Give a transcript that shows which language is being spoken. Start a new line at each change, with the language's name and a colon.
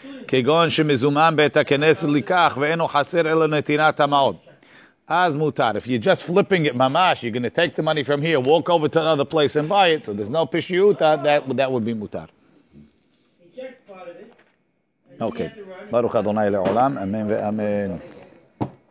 Hebrew: כגון שמזומן בית הכנס לכך ואינו חסר אלא נתינת המעוד. אז מותר.
English: If you're just flipping it ממש, you're going to take the money from here, walk over to the other place and buy it, so there's no pishiyuta, that would be מותר. Okay.
Hebrew: ברוך אדוני לעולם, אמן ואמן.